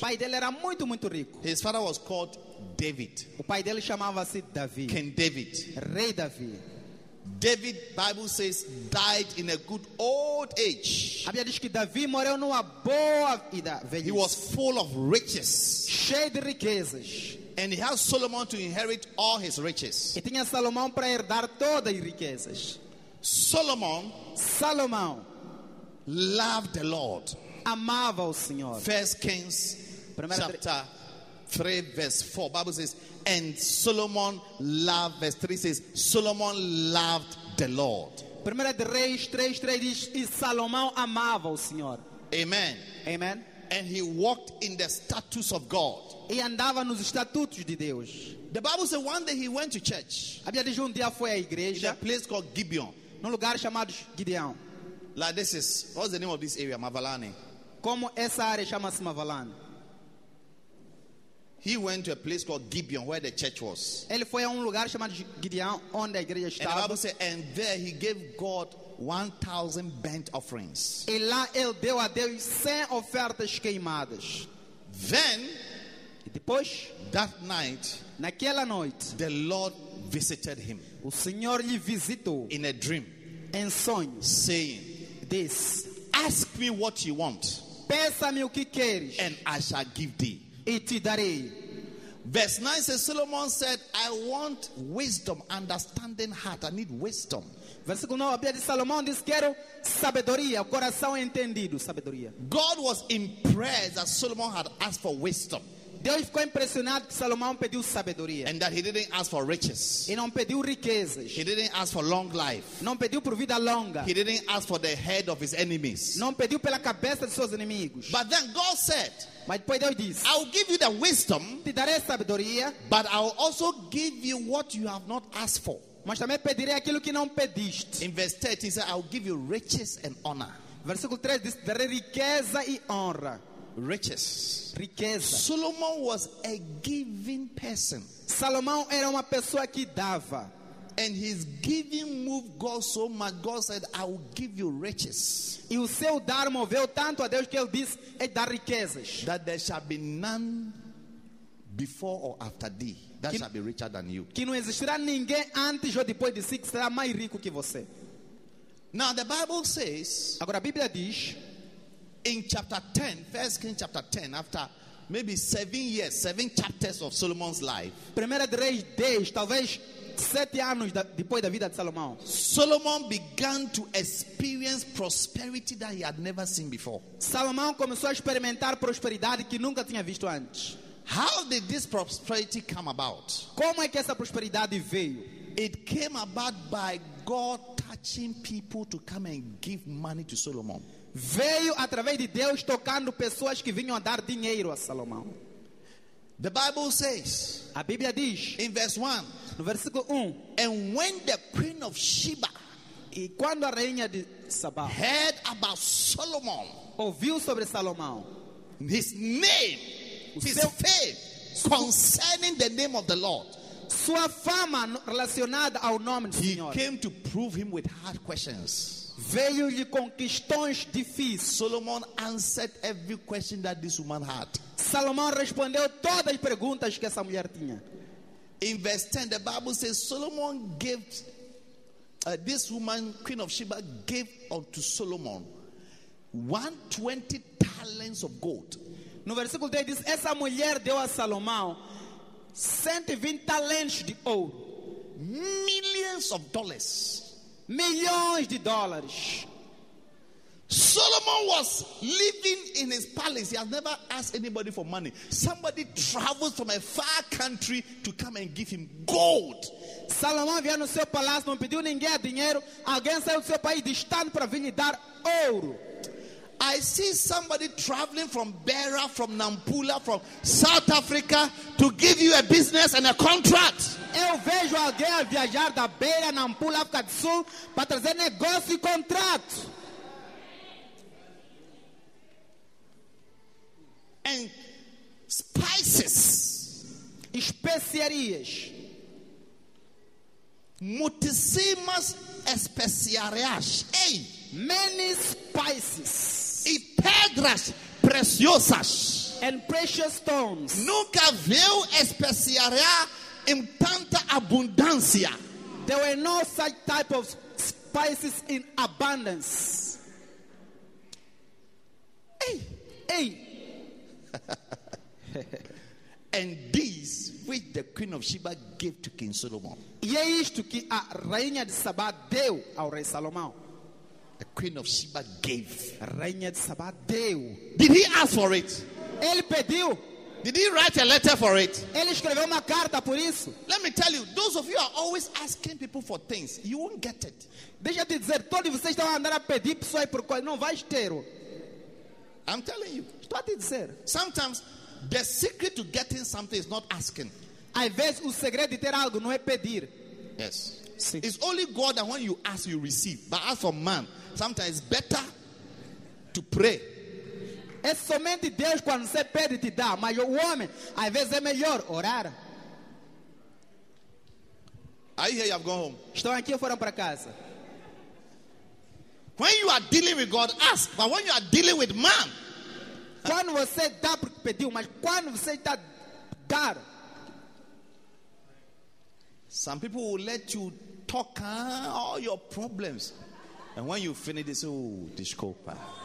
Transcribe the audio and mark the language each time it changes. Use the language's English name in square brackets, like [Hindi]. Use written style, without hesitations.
[Portuguese] Pai dele era muito, muito rico. [English] His father was called David. [Portuguese] O pai dele chamava-se Davi. [English] King David. [Portuguese] Rei Davi. [English] David, Bible says, died in a good old age. [Portuguese] A Bíblia diz que Davi morreu numa boa idade. [English] He was full of riches. [Portuguese] Cheio de riquezas. [English] And he has Solomon to inherit all his riches. [Portuguese] E tinha Salomão para herdar todas as riquezas. [English] Solomon, [Portuguese] Salomão, [English] loved the Lord. [Portuguese] Amava o Senhor. [English] 1 Kings chapter 3 verse 4. Bible says, and Solomon loved, verse 3 says, Solomon loved the Lord. [Portuguese] 1 Reis 3:3 diz, e Salomão amava o Senhor. [English] Amen. [Portuguese] Amen. [English] And he walked in the statutes of God. [Portuguese] E andava nos estatutos de Deus. [English] The Bible says one day he went to church. [Portuguese] A Bíblia diz um dia foi à igreja. [English] In a place called Gibeon. [Portuguese] Num lugar chamado Gideão. [English] Like this is, what's the name of this area? Mavalane. [Portuguese] Como essa área chama-se Mavalane. [English] He went to a place called Gibeon where the church was. [Portuguese] Ele foi a lugar chamado Gideão onde a igreja estava. [English] And the Bible says, and there he gave God 1,000 burnt offerings. [Portuguese] E lá ele deu a Deus 100 ofertas queimadas. [English] Then, [Portuguese] e depois, [English] that night, [Portuguese] naquela noite, [English] the Lord visited him. [Portuguese] O Senhor lhe visitou [English] in a dream, [Portuguese] em sonho, [English] saying, "This, ask me what you want, [Portuguese] peça-me o que queres, [English] and I shall give thee." Verse 9 says, Solomon said, I want wisdom, understanding heart. I need wisdom. [Portuguese] Versículo 9, a Bíblia de Salomão diz, quero sabedoria, coração entendido, sabedoria. [English] God was impressed that Solomon had asked for wisdom. [Portuguese] Deus ficou impressionado que Salomão pediu sabedoria. [English] And that he didn't ask for riches. [Portuguese] E não pediu riquezas. [English] He didn't ask for long life. [Portuguese] Não pediu por vida longa. [English] He didn't ask for the head of his enemies. [Portuguese] Não pediu pela cabeça de seus inimigos. [English] But then God said, [Portuguese] mas depois Deus diz, [English] I will give you the wisdom, [Portuguese] te darei sabedoria, [English] but I will also give you what you have not asked for. [Portuguese] Mas também pedirei aquilo que não pediste. [English] In verse 13, he said, I will give you riches and honor. [Portuguese] Versículo 13 diz, darei riqueza e honra. [English] Riches. [Portuguese] Riqueza. [English] Solomon was a giving person. [Portuguese] Salomão era uma pessoa que dava. [English] And his giving moved God so much. God said, I will give you riches. [Portuguese] E o seu dar moveu tanto a Deus que ele disse, é dar riquezas. [English] That there shall be none before or after thee. That shall be richer than you. [Portuguese] Que não existirá ninguém antes ou depois de si que será mais rico que você. [English] Now the Bible says, [Portuguese] agora a Bíblia diz, [English] in chapter 10, 1 Kings chapter 10, after maybe 7 years, 7 chapters of Solomon's life, [Portuguese] Primeira de Reis 10, talvez 7 anos depois da vida de Salomão, [English] Solomon began to experience prosperity that he had never seen before. [Portuguese] Salomão começou a experimentar prosperidade que nunca tinha visto antes. [English] How did this prosperity come about? [Portuguese] Como é que essa prosperidade veio? [English] It came about by God touching people to come and give money to Solomon. [Portuguese] Veio através de Deus tocando pessoas que vinham a dar dinheiro a Salomão. [English] The Bible says, [Portuguese] a Bíblia diz, [English] in verse 1, [Portuguese] no versículo 1, [English] and when the queen of Sheba, [Portuguese] e quando a rainha de Sabá, [English] heard about Solomon, [Portuguese] ouviu sobre Salomão, [English] his name, his faith concerning the name of the Lord, [Portuguese] sua fama relacionada ao nome do Senhor, [English] he came to prove him with hard questions. [Portuguese] Veio-lhe com questões difíceis. [English] Solomon answered every question that this woman had. [Portuguese] Salomão respondeu todas as perguntas que essa mulher tinha. [English] In verse 10, the Bible says Solomon gave this woman, Queen of Sheba, gave unto Solomon 120 talents of gold. [Portuguese] No versículo 10 diz, essa mulher deu a Salomão 120 talents de ouro. [English] Millions of dollars. [Portuguese] Milhões de dólares. [English] Solomon was living in his palace. He has never asked anybody for money. Somebody travels from a far country to come and give him gold. [Portuguese] Salomão vinha no seu palácio, não pediu ninguém dinheiro. Alguém saiu do seu país distante para vir lhe dar ouro. [English] I see somebody traveling from Beira, from Nampula, from South Africa to give you a business and a contract. [Portuguese] Eu vejo alguém a viajar da Beira, Nampula, África do Sul para trazer negócio e contrato. [English] And spices, [Portuguese] especiarias, muitíssimas especiarias, hey, [English] many spices, [Portuguese] e pedras preciosas, [English] and precious stones. [Portuguese] Nunca viu especiaria em tanta abundância. [English] There were no such type of spices in abundance. Hey, hey. And this which the Queen of Sheba gave to King Solomon. [Portuguese] E é isto que a rainha de Sabá deu ao rei Salomão. [English] The Queen of Sheba gave. [Portuguese] A rainha de Sabá deu. [English] Did he ask for it? [Portuguese] Ele pediu. [English] Did he write a letter for it? [Portuguese] Ele escreveu uma carta por isso. [English] Let me tell you, those of you are always asking people for things, you won't get it. [Portuguese] Deixa eu te dizer, todos vocês estão andando a pedir pessoas por coisas, não vai ter. [English] I'm telling you. [Portuguese] Estou a te dizer. [English] Sometimes the secret to getting something is not asking. [Portuguese] Às vezes o segredo de ter algo não é pedir. [English] Yes. [Portuguese] Sim. [English] It's only God that when you ask, you receive. But as for man, sometimes it's better to pray. [Portuguese] É somente Deus quando você pede te dá. Mas o homem, às vezes é melhor orar. [English] Are you here? You have gone home. [Portuguese] Estão aqui ou foram para casa? [English] When you are dealing with God, ask. But when you are dealing with man, [Portuguese] quando você dá porque pediu, mas quando você está dar, [English] some people will let you talk all your problems, and when you finish, they say, oh, desculpa.